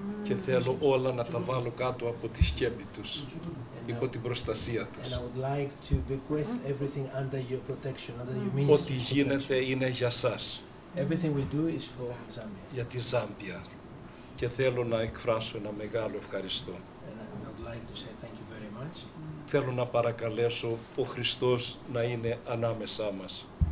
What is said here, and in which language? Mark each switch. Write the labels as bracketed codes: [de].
[el] Και θέλω όλα να τα βάλω κάτω από τη σκέπη τους, υπό την προστασία τους. [en] And I would like to bequeath everything under your protection, under your ministry. [el] Ό,τι γίνεται είναι για σας. [en] Everything we do is for Zambia. [el] Για τη Ζάμπια. Και θέλω να εκφράσω ένα μεγάλο ευχαριστώ. [en] And I would like to say thank you very much. [el] Θέλω να παρακαλέσω ο Χριστός να είναι ανάμεσά μας.